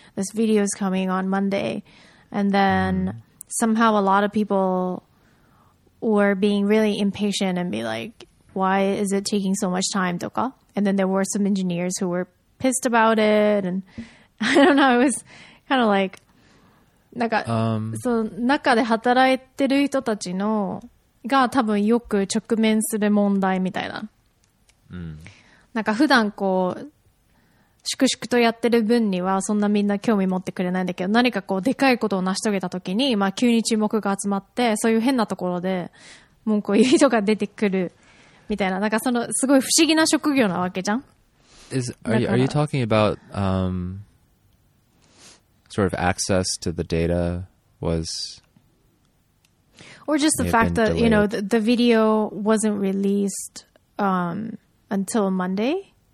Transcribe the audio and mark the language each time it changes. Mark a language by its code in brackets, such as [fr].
[en] This video is coming on Monday. And then somehow a lot of people were being really impatient and be like, why is it taking so much time? And then there were some engineers who were pissed about it. And I don't know. It was kind of like... [ja] So 中で働いてる人たちのが多分よく直面する問題みたいな。なんか普段こう粛々とやってる分にはそんなみんな興味持ってくれないんだけど、何かこうでかいことを成し遂げた時に、まあ急に注目が集まって、そういう変なところで文句を言う人が出てくるみたいな、なんかそのすごい不思議な職業なわけじゃん。 [en] Are you talking about sort of access to the data was or just the fact that you know the video wasn't released until Monday.